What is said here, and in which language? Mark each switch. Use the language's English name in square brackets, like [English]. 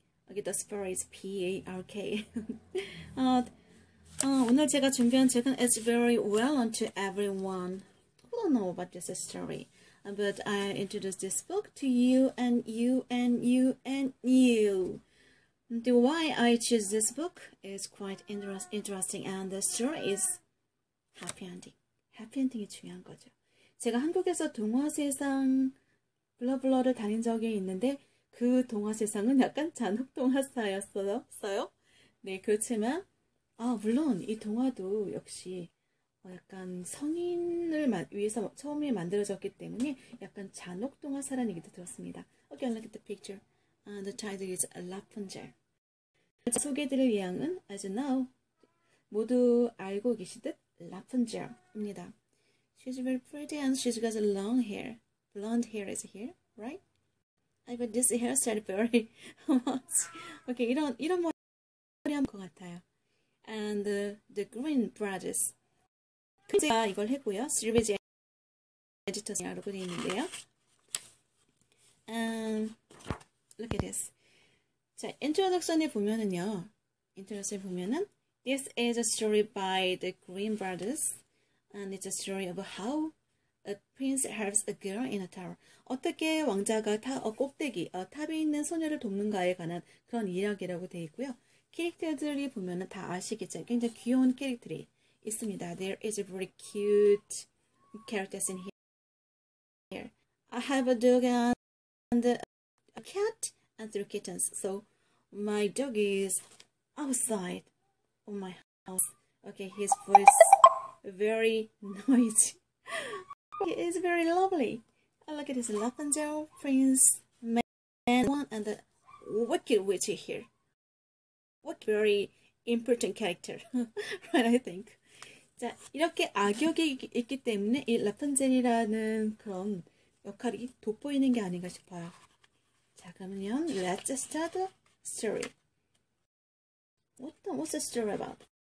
[English] Okay, the spell is P-A-R-K. [Korean] 오늘 제가 준비한 책은 [English] It's very well known to everyone who don't know about this story. But I introduce this book to you and you and you and you. The why I choose this book is quite interesting and the story is happy ending. [Korean] Happy ending이 중요한 거죠. 제가 한국에서 동화 세상 블러블러를 다닌 적이 있는데 그 동화 세상은 약간 잔혹 동화 스타였어요. 네, 그렇지만 물론 이 동화도 역시 약간 성인을 위해서 처음에 만들어졌기 때문에 약간 잔혹 동화사라는 얘기도 들었습니다. [English] Okay, look at the picture. The title is Rapunzel. [Korean] 소개해드릴 예양은 [English] As you know, [Korean] 모두 알고 계시듯 라푼젤입니다. [English] She's very pretty and she's got long hair. Blonde hair is here, right? I got this hairstyle very much. [Korean] Okay, 이런 머리한 것 같아요. [English] And the green brushes. [Korean] 제가 이걸 했고요. 실비지 에디터스라고 되어 있는데요. [English] Look at this. [Korean] 자, 인트로덕션에 보면은요. 인트로덕션에 보면은 [English] This is a story by the Grimm Brothers and it's a story of how a prince helps a girl in a tower. [Korean] 어떻게 왕자가 탑에 있는 소녀를 돕는가에 관한 그런 이야기라고 되어 있고요. 캐릭터들이 보면은 다 아시겠죠. 굉장히 귀여운 캐릭터들이 있습니다. [English] There is a very cute characters in here. I have a dog and a cat and three kittens. So my dog is outside of my house. Okay, his voice very noisy. He is very lovely. Look at this Lavender Prince man and the wicked witch here. What very important character, right? I think. [Korean] 자, 이렇게 악역이 있기 때문에 이 라푼젤이라는 그런 역할이 돋보이는 게 아닌가 싶어요. 자, 그러면 [English] Let's start the story. What's the story about?